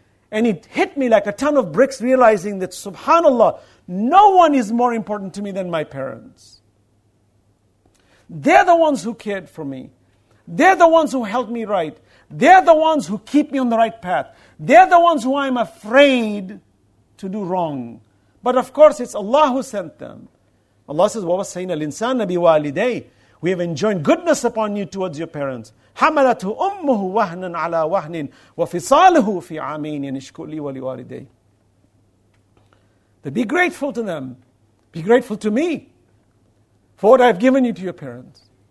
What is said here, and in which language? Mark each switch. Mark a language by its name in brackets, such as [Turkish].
[English] And it hit me like a ton of bricks, realizing that, subhanAllah, no one is more important to me than my parents. They're the ones who cared for me. They're the ones who helped me right. They're the ones who keep me on the right path. They're the ones who I'm afraid to do wrong. But of course, it's Allah who sent them. Allah says, [Arabic] وَوَسَّيْنَا الْإِنسَانَ بِوَالِدَيْهِ. [English] We have enjoined goodness upon you towards your parents. [Arabic] حَمَلَتُ أُمُّهُ وَهْنًا عَلَىٰ وَهْنٍ وَفِصَالُهُ فِي عَامَيْنِ يَنِشْكُرْ لِي وَلِوَالِدَيْهِ. [English] Be grateful to them. Be grateful to me for what I have given you to your parents.